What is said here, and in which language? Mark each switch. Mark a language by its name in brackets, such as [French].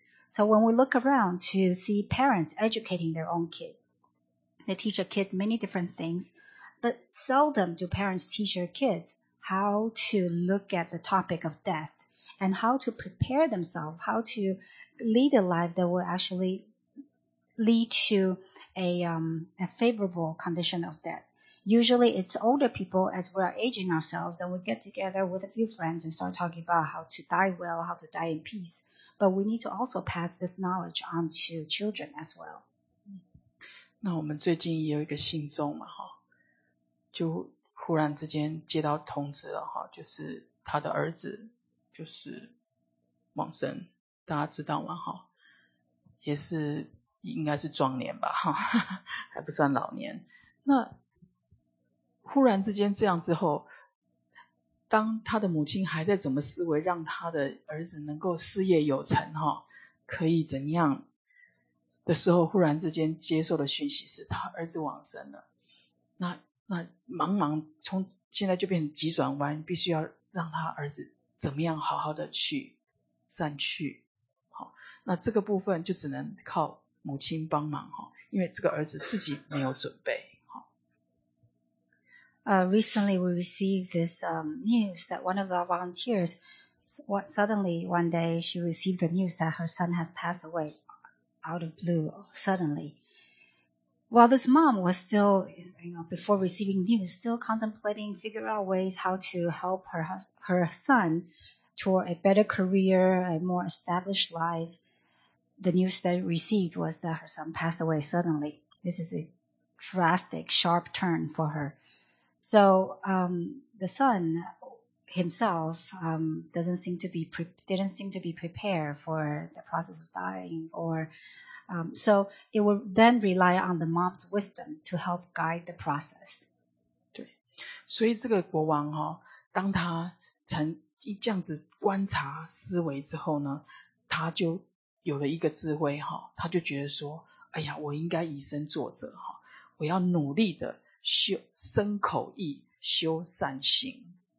[English] So when we look around to see parents educating their own kids, they teach their kids many different things, but seldom do parents teach their kids how to look at the topic of death and how to prepare themselves, how to lead a life that will actually lead to a favorable condition of death. Usually it's older people, as we are aging ourselves, then we get together with a few friends and start talking about how to die well, how to die in peace. But we need to also pass this knowledge on to children as well. [Chinese] 那我们最近也有一个信众嘛，就忽然之间接到通知了，就是他的儿子就是往生，大家知道吗？也是应该是壮年吧，还不算老年。那忽然之间这样之后，当他的母亲还在怎么思维让他的儿子能够事业有成，可以怎样的时候，忽然之间接受的讯息是他儿子往生了。那茫茫从现在就变成急转弯，必须要让他儿子怎么样好好的去散去。好，那这个部分就只能靠母亲帮忙，因为这个儿子自己没有准备。 [English] Recently we received this news that one of our volunteers, suddenly one day she received the news that her son has passed away out of blue, suddenly. While this mom was still, you know, before receiving news, still contemplating, figure out ways how to help her son toward a better career, a more established life, the news that she received was that her son passed away suddenly. This is a drastic, sharp turn for her. So the son himself didn't seem to be prepared for the process of dying, so it will then rely on the mom's wisdom to help guide the process. [Chinese] 对，所以这个国王哈，当他曾一这样子观察思维之后呢，他就有了一个智慧哈，他就觉得说，哎呀，我应该以身作则哈，我要努力的修身口意，修善行。